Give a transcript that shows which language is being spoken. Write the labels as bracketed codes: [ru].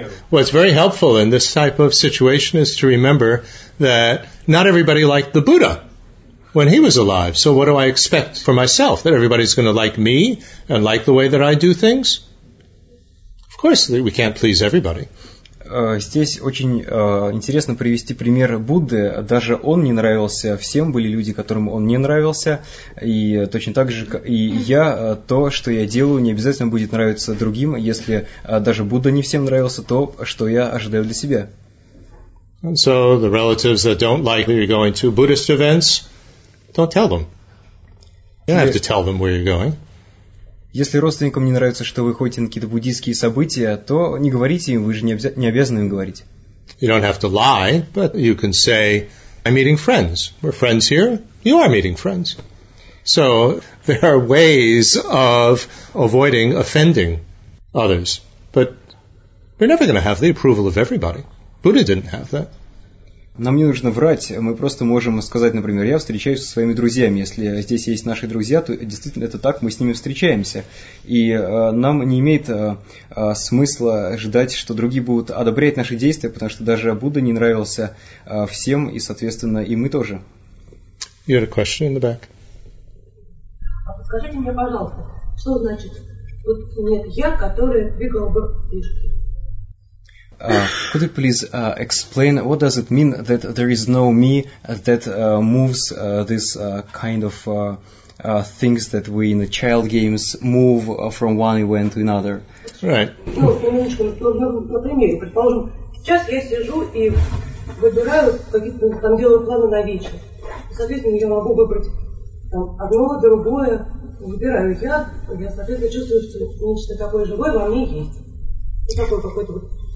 [en] What's very helpful in this type of situation is to remember that not everybody liked the Buddha when he was alive. So what do I expect for myself? That everybody's going to like me and like the way that I do things? Of course, we can't please everybody. [ru] Здесь очень интересно привести пример Будды. Даже он не нравился всем, были люди, которым он не нравился. И точно так же и я, то, что я делаю, не обязательно будет нравиться другим. Если даже Будда не всем нравился, то что я ожидаю для себя? [en] And so the relatives that don't like where you're going to Buddhist events, don't tell them. You don't have to tell them where you're going. [ru] Если родственникам не нравится, что вы ходите на какие-то буддийские события, то не говорите им, вы же не обязаны им говорить. [en] You don't have to lie, but you can say, I'm meeting friends. We're friends here. You are meeting friends. So there are ways of avoiding offending others. But we're never going to have the approval of everybody. Buddha didn't have that. [ru] Нам не нужно врать, мы просто можем сказать, например, я встречаюсь со своими друзьями. Если здесь есть наши друзья, то действительно это так, мы с ними встречаемся. И нам не имеет смысла ждать, что другие будут одобрять наши действия, потому что даже Будда не нравился всем, и, соответственно, и мы тоже. [en] You had a question in the back. [ru] А подскажите мне, пожалуйста, что значит, вот нет, я, который двигал бы фишки. [en] Could you please explain what does it mean that there is no me that moves this kind of things that we in the child games move from one event to another? Right. [ru] Ну, на примере, предположим, сейчас я сижу и выбираю какие-то там делаю планы на вечер. Соответственно, я могу выбрать там одно, другое. Выбираю я, соответственно, чувствую, что нечто такое живое во мне есть. И такое какое-то вот.